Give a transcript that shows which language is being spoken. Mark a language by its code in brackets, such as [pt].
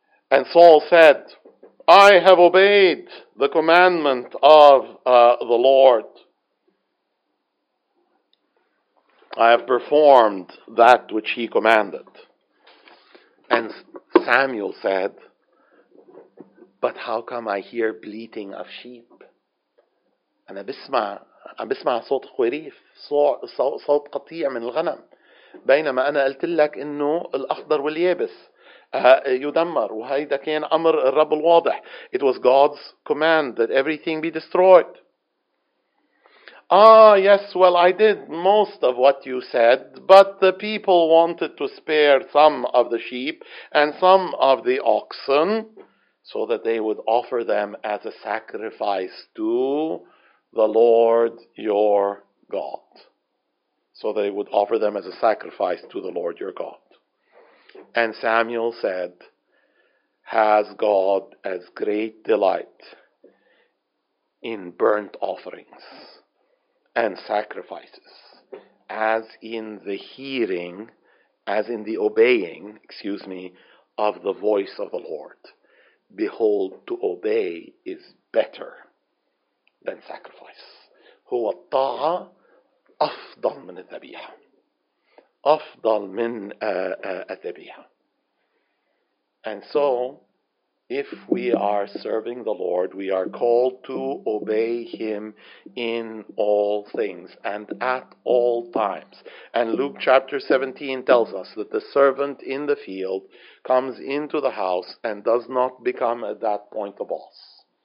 [en] And Saul said, I have obeyed the commandment of the Lord. I have performed that which he commanded. And Samuel said, but how come I hear bleating of sheep? [ar] أنا بسمع صوت خريف صوت قطيع من الغنم بينما أنا قلت لك إنه الأخضر واليابس يدمر وهيدا كان أمر الرب الواضح. [en] It was God's command that everything be destroyed. Ah, yes, well, I did most of what you said, but the people wanted to spare some of the sheep and some of the oxen so that they would offer them as a sacrifice to the Lord your God. So they would offer them as a sacrifice to the Lord your God. And Samuel said, has God as great delight in burnt offerings and sacrifices as in the hearing, as in the obeying, of the voice of the Lord? Behold, to obey is better than sacrifice. [ar] هو الطاعة أفضل من الذبيحة. أفضل من الذبيحة. [en] And so, if we are serving the Lord, we are called to obey Him in all things and at all times. And Luke chapter 17 tells us that the servant in the field comes into the house and does not become at that point the boss.